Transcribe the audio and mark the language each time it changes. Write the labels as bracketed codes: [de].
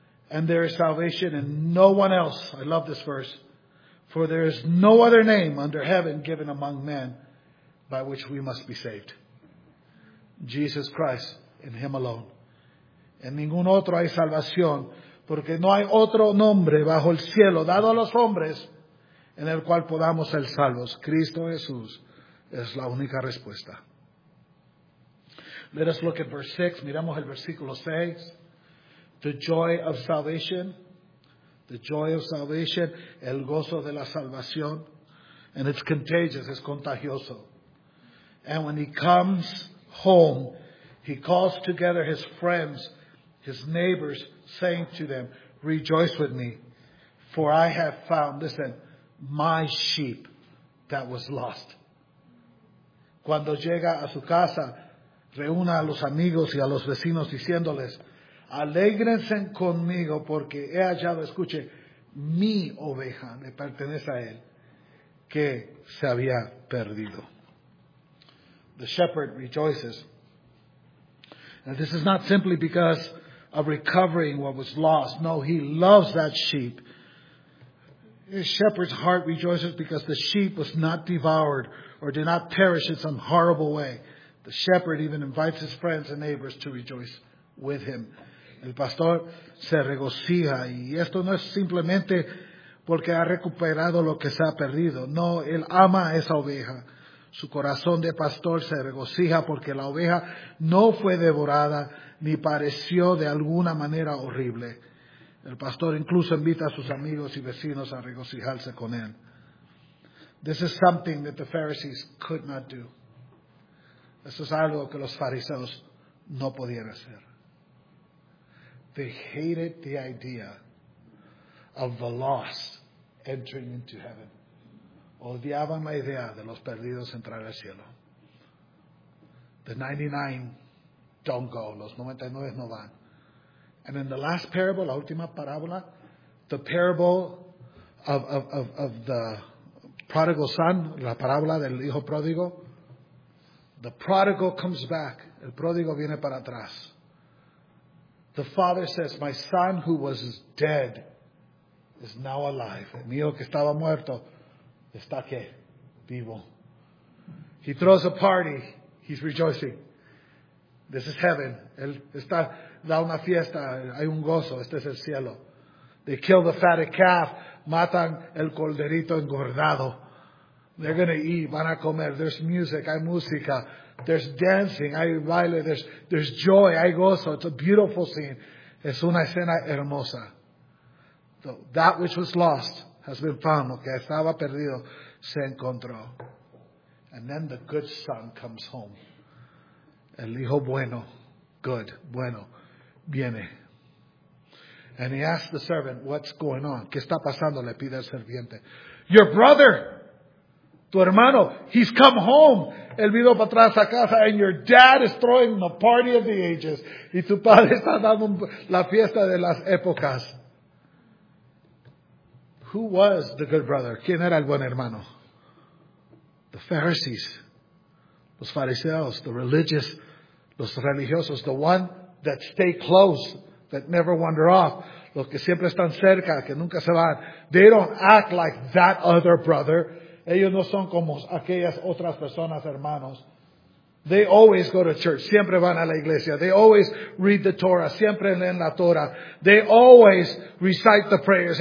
[en] And there is salvation in no one else. I love this verse. For there is no other name under heaven given among men by which we must be saved. Jesus Christ and Him alone. [es] En ningún otro hay salvación, porque no hay otro nombre bajo el cielo dado a los hombres en el cual podamos ser salvos. Cristo Jesús es la única respuesta. [en] Let us look at verse 6. [es] Miramos el versículo 6. [en] The joy of salvation. The joy of salvation. [es] El gozo de la salvación. [en] And it's contagious. [es] Es contagioso. [en] And when he comes home, he calls together his friends, his neighbors, saying to them, rejoice with me, for I have found, listen, my sheep that was lost. [es] Cuando llega a su casa, reúna a los amigos y a los vecinos diciéndoles, alégrense conmigo porque he hallado, escuche, mi oveja, le pertenece a él, que se había perdido. [en] The shepherd rejoices. And this is not simply because of recovering what was lost. No, he loves that sheep. His shepherd's heart rejoices because the sheep was not devoured or did not perish in some horrible way. The shepherd even invites his friends and neighbors to rejoice with him. [es] El pastor se regocija, y esto no es simplemente porque ha recuperado lo que se ha perdido. No, él ama a esa oveja. Su corazón de pastor se regocija porque la oveja no fue devorada ni pareció de alguna manera horrible. El pastor incluso invita a sus amigos y vecinos a regocijarse con él. [en] This is something that the Pharisees could not do. [es] Eso es algo que los fariseos no podían hacer. [en] They hated the idea of the lost entering into heaven. [es] Odiaban la idea de los perdidos entrar al cielo. [en] The 99 don't go. [es] Los 99 no van. [en] And in the last parable, [es] la última parábola, [en] the parable of the prodigal son, [es] la parábola del hijo pródigo, [en] the prodigal comes back. [es] El pródigo viene para atrás. [en] The father says, my son who was dead is now alive. [es] El mío que estaba muerto está que vivo. [en] He throws a party. He's rejoicing. This is heaven. [es] Él está, da una fiesta. Hay un gozo. Este es el cielo. [en] They kill the fatted calf. [es] Matan el corderito engordado. [en] They're going to eat. [es] Van a comer. [en] There's music. [es] Hay música. [en] There's dancing. [es] Hay baile. [en] There's joy. [es] Hay gozo. [en] It's a beautiful scene. [es] Es una escena hermosa. [en] So, that which was lost has been found. Okay, [es] estaba perdido, se encontró. [en] And then the good son comes home. [es] El hijo bueno, [en] good, [es] bueno, viene. [en] And he asks the servant, what's going on? [es] ¿Qué está pasando? Le pide al sirviente. [en] Your brother, [es] tu hermano, [en] he's come home. [es] Él vino para atrás a casa. [en] And your dad is throwing the party of the ages. [es] Y tu padre está dando la fiesta de las épocas. [en] Who was the good brother? [es] ¿Quién era el buen hermano? [en] The Pharisees. [es] Los fariseos, [en] the religious, [es] los religiosos, [en] the one that stay close, that never wander off. [es] Los que siempre están cerca, que nunca se van. [en] They don't act like that other brother. [es] Ellos no son como aquellas otras personas, hermanos. [en] They always go to church. [es] Siempre van a la iglesia. [en] They always read the Torah. [es] Siempre leen la Torah. [en] They always recite the prayers.